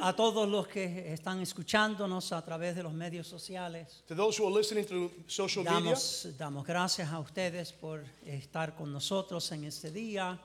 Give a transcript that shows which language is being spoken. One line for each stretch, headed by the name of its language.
Spanish: A todos los que están escuchándonos a través de los medios sociales.
English: To those who are listening through social media.
Spanish: Damos gracias a ustedes por estar con nosotros en este día.